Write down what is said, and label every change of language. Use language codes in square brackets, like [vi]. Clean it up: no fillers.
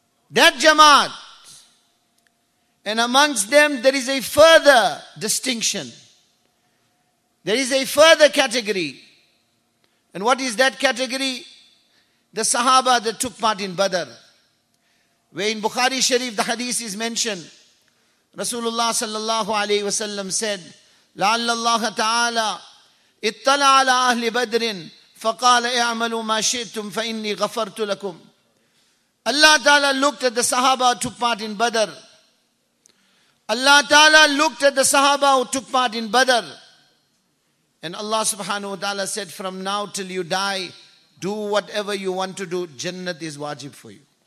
[en] That jamaat, and amongst them there is a further distinction. There is a further category. And what is that category? The sahaba that took part in Badr. Where in Bukhari Sharif the hadith is mentioned, Rasulullah sallallahu alayhi wasallam said, [ar] لَعَلَّ اللَّهَ تَعَالَى اِطَّلَى عَلَىٰ أَهْلِ بَدْرٍ فَقَالَ اِعْمَلُوا مَا شِئْتُمْ فَإِنِّي غَفَرْتُ لَكُمْ. [en] Allah Ta'ala looked at the sahaba who took part in Badr. Allah Ta'ala looked at the sahaba who took part in Badr. And Allah subhanahu wa ta'ala said, from now till you die, do whatever you want to do. Jannat is wajib for you.